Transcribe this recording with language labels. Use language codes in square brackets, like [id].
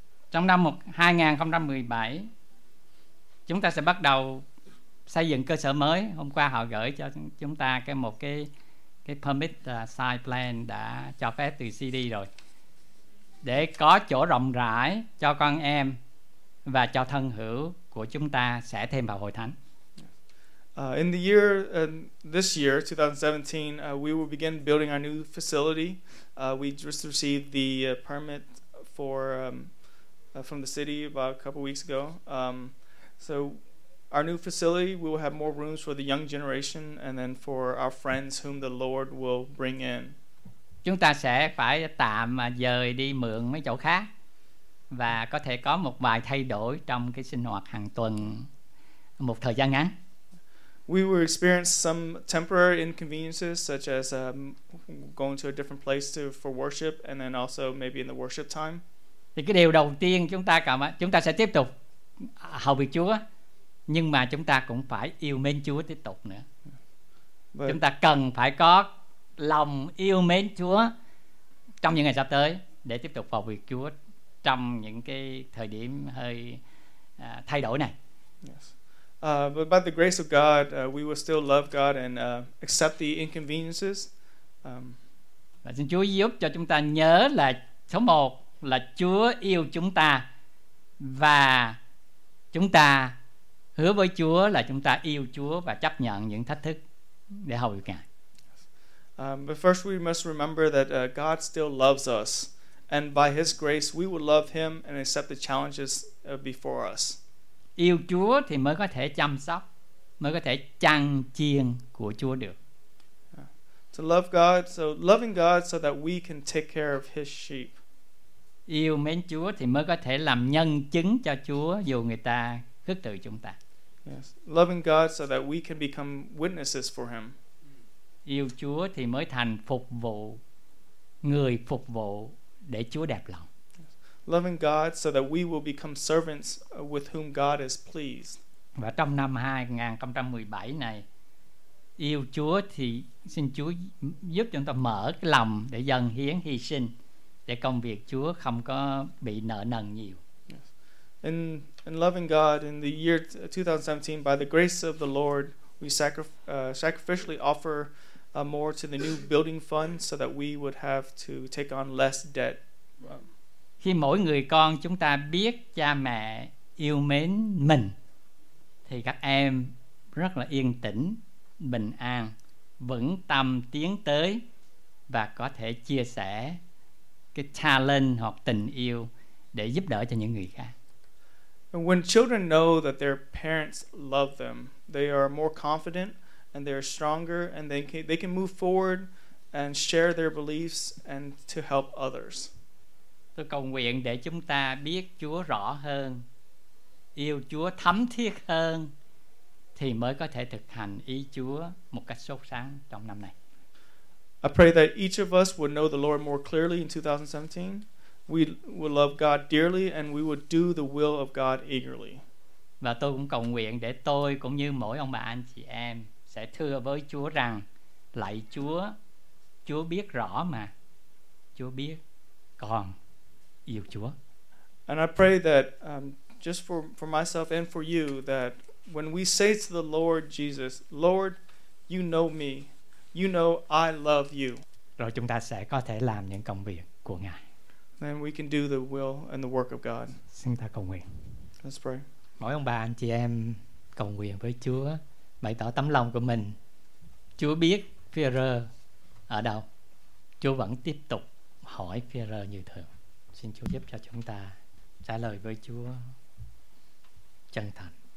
[vi] Trong năm 2017, chúng ta sẽ bắt đầu xây dựng cơ sở mới. Hôm qua họ gửi cho chúng ta cái [en] permit site plan [vi] đã cho phép từ CD rồi, để có chỗ rộng rãi cho con em và cho thân hữu của chúng ta sẽ thêm vào hội thánh. [en] In the year this year 2017, we will begin building our new facility. We just received the permit for from the city about a couple weeks ago. So our new facility, we will have more rooms for the young generation and then for our friends whom the Lord will bring in. [vi] Chúng ta sẽ phải tạm dời đi mượn mấy chỗ khác và có thể có một vài thay đổi trong cái sinh hoạt hàng tuần một thời gian ngắn. [en] We will experience some temporary inconveniences such as going to a different place to for worship and then also maybe in the worship time. [vi] Thì cái điều đầu tiên chúng ta sẽ tiếp tục hầu việc Chúa, nhưng mà chúng ta cũng phải yêu mến Chúa tiếp tục nữa. But chúng ta cần phải có lòng yêu mến Chúa trong những ngày sắp tới để tiếp tục hầu việc Chúa trong những cái thời điểm hơi thay đổi này. [en] Yes. But by the grace of God, we will still love God and accept the inconveniences. [vi] Và xin Chúa giúp cho chúng ta nhớ là số một là Chúa yêu chúng ta, và chúng ta hứa với Chúa là chúng ta yêu Chúa và chấp nhận những thách thức để hầu việc Ngài. [en] But first we must remember that God still loves us, and by his grace we will love him and accept the challenges before us. [vi] Yêu Chúa thì mới có thể chăm sóc, mới có thể chăn chiên của Chúa được. [en] To love God, so loving God so that we can take care of his sheep. [vi] Yêu mến Chúa thì mới có thể làm nhân chứng cho Chúa dù người ta khước từ chúng ta. [en] Yes. Loving God so that we can become witnesses for him. [vi] Yêu Chúa thì mới thành phục vụ, người phục vụ để Chúa đẹp lòng. [en] Loving God so that we will become servants with whom God is pleased. [vi] Và trong năm 2017 này, yêu Chúa thì xin Chúa giúp chúng ta mở cái lòng để dâng hiến hy sinh để công việc Chúa không có bị nợ nần nhiều. [en] In loving God in the year 2017, by the grace of the Lord, we sacrificially offer more to the new building fund so that we would have to take on less debt. [vi] Khi mỗi người con chúng ta biết cha mẹ yêu mến mình thì các em rất là yên tĩnh, bình an, vững tâm tiến tới và có thể chia sẻ cái talent hoặc tình yêu để giúp đỡ cho những người khác. [en] And when children know that their parents love them, they are more confident and they are stronger and they can move forward and share their beliefs and to help others. [vi] Tôi cầu nguyện để chúng ta biết Chúa rõ hơn, yêu Chúa thấm thiết hơn thì mới có thể thực hành ý Chúa một cách sốt sáng trong năm này. [en] I pray that each of us would know the Lord more clearly in 2017. We will love God dearly and we would do the will of God eagerly. [vi] Và tôi cũng cầu nguyện để tôi cũng như mỗi ông bà anh chị em sẽ thưa với Chúa rằng lạy Chúa, Chúa biết rõ mà. Chúa biết con yêu Chúa. [en] And I pray that just for myself and for you that when we say to the Lord Jesus, Lord, you know me. You know I love you. [vi] Rồi chúng ta sẽ có thể làm những công việc của Ngài. [en] Then we can do the will and the work of God. [vi] Xin ta cầu nguyện. [en] Let's pray. [vi] Mỗi ông bà anh chị em cầu nguyện với Chúa, bày tỏ tấm lòng của mình. Chúa biết Phi-e-rơ ở đâu. Chúa vẫn tiếp tục hỏi Phi-e-rơ như thường. Xin Chúa giúp cho chúng ta trả lời với Chúa chân thành.